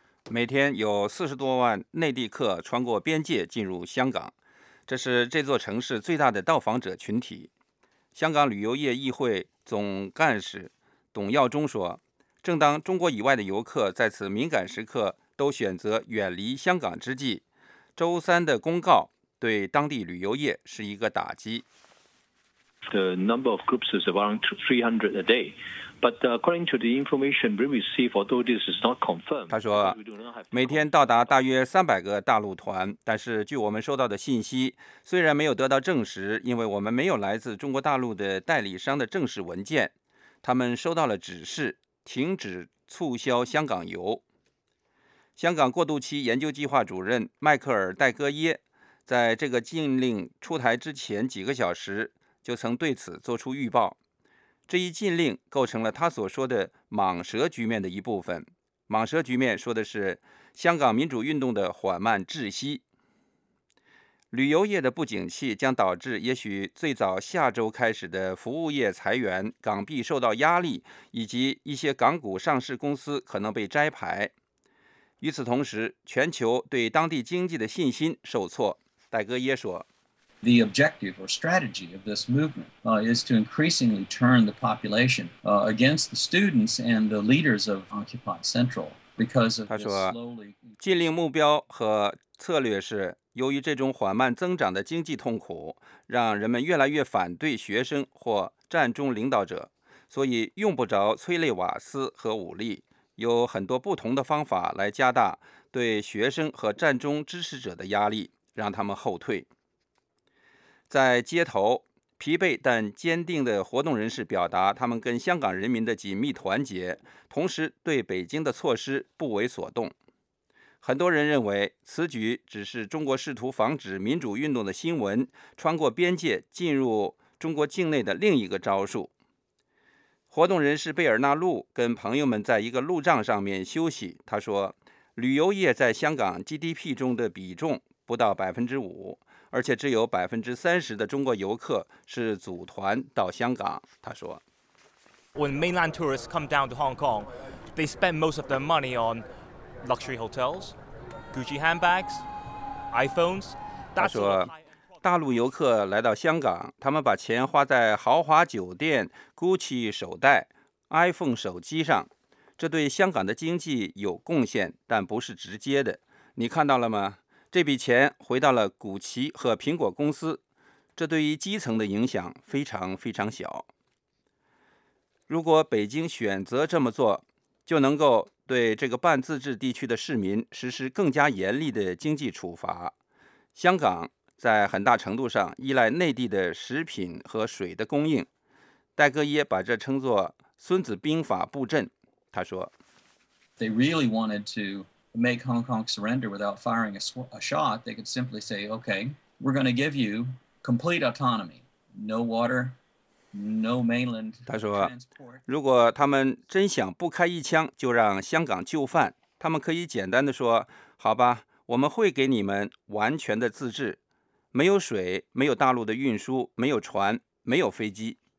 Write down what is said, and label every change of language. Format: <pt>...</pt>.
<zh>每天有40多万内地客穿过边界进入香港，这是这座城市最大的到访者群体。香港旅游业议会总干事董耀忠说，正当中国以外的游客在此敏感时刻都选择远离香港之际，周三的公告对当地旅游业是一个打击。</zh> <en>The number of groups is around 300 a day. But according to the information we receive, although this is not confirmed,</en> <zh>他说每天到达大约300个大陆团，但是据我们收到的信息，虽然没有得到证实，因为我们没有来自中国大陆的代理商的正式文件，他们收到了指示停止促销香港游。香港过渡期研究计划主任迈克尔·戴戈耶在这个禁令出台之前几个小时就曾对此做出预报，这一禁令构成了他所说的蟒蛇局面的一部分。蟒蛇局面说的是香港民主运动的缓慢窒息。旅游业的不景气将导致也许最早下周开始的服务业裁员、港币受到压力，以及一些港股上市公司可能被摘牌。与此同时，全球对当地经济的信心受挫。戴戈耶说，</zh> <en>The objective or strategy of this movement is to increasingly turn the population against the students and the leaders of Occupy Central because of this slowly.</en> <zh>禁令目标和策略是，由于这种缓慢增长的经济痛苦，让人们越来越反对学生或占中领导者，所以用不着催泪瓦斯和武力，有很多不同的方法来加大对学生和占中支持者的压力，让他们后退。在街头，疲惫但坚定的活动人士表达他们跟香港人民的紧密团结，同时对北京的措施不为所动。很多人认为此举只是中国试图防止民主运动的新闻穿过边界进入中国境内的另一个招数。活动人士贝尔纳路跟朋友们在一个路障上面休息，他说旅游业在香港 GDP 中的比重不到 5%，而且只有30%的中国游客是组团到香港。他说</zh> <en>，When mainland tourists come down to Hong Kong, they spend most of their money on luxury hotels, Gucci handbags, iPhones.</en> <zh>他说，大陆游客来到香港，他们把钱花在豪华酒店、Gucci 手袋、iPhone 手机上，这对香港的经济有贡献，但不是直接的。你看到了吗？这笔钱回到了谷歧和苹果公司，这对于基层的影响非常非常小。如果北京选择这么做，就能够对这个半自治地区的市民实施更加严厉的经济处罚。香港在很大程度上依赖内地的食品和水的供应，戴戈耶把这称作孙子兵法布阵，他说</zh> <en>They really wanted to make Hong Kong surrender without firing a shot. They could simply say, okay, we're going to give you complete autonomy. No water, no mainland transport.</en> <zh>他说如果他们真想不开一枪就让香港就范，他们可以简单的说，好吧，我们会给你们完全的自治，没有水，没有大陆的运输，没有船，没有飞机。</zh>